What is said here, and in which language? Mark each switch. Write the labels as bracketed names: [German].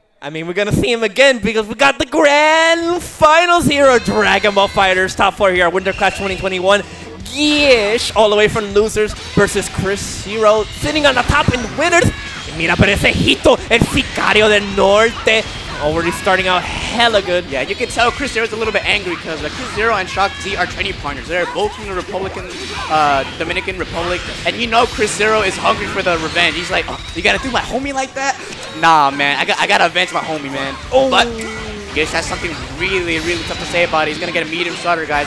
[English] I mean, we're going to see him again because we got the grand finals here of Dragon Ball FighterZ Top 4 here at Winter Clash 2021. Gish, all the way from losers versus Chris Hero, sitting on the top in winners. [Spanish] Mira, pero ese hito, el sicario del norte. [English] Already starting out hella good. Yeah, you can tell Chris Zero is a little bit angry because Chris Zero and Shock Z are training partners. They're both from the Republican, Dominican Republic. And you know Chris Zero is hungry for the revenge. He's like, oh, you gotta do my homie like that? Nah, man. I gotta avenge my homie, man. Oh. But Gish has something really, really tough to say about it. He's gonna get a medium starter, guys.